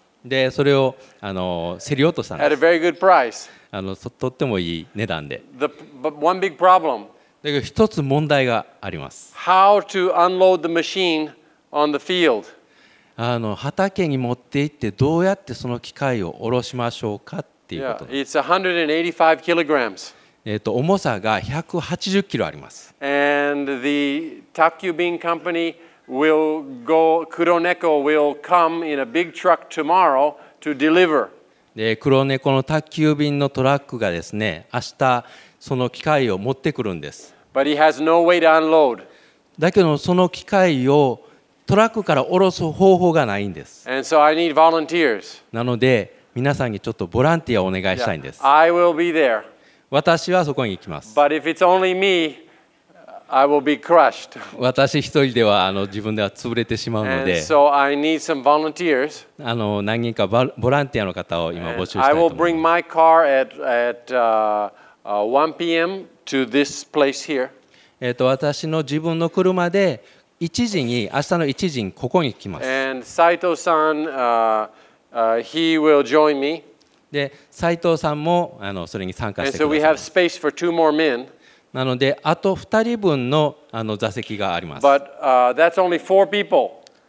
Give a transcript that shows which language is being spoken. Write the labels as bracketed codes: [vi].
[ja] でそれを競り落としたんです。 [en] At a very good price. [ja] とってもいい値段で。 [en] But one big problem. [ja] だけど一つ問題があります。 [en] How to unload the machine on the field? [ja] 畑に持って行ってどうやってその機械を下ろしましょうかっていうこと。 [en] Yeah, it's 185 kilograms. [ja] 重さが180キロあります。 [en] And the Takubin company will go, Kuroneko will come in a big truck tomorrow to deliver. [ja] で、Kuroneko の Takubin のトラックがですね、明日その機械を持ってくるんです。 [en] But he has no way to unload. [ja] だけどその機械をトラックから下ろす方法がないんです。 [en] And so I need volunteers. [ja] なので、皆さんにちょっとボランティアをお願いしたいんです。 [en] Yeah, I will be there. [ja] 私はそこに行きます。 [en] But if it's only me, I will be crushed. [ja] 私一人では自分では潰れてしまうので、 [en] And so I need some volunteers. [ja] 何人かボランティアの方を今募集したいと思います。 [en] I will bring my car at 1 p.m. to this place here. [ja] 私の自分の車で1時に明日の1時にここに来ます。 [en] And Saito-san, he will join me. [ja] で斉藤さんもそれに参加してくださいます。なのであと2人分の座席があります。 [en] But that's only four people.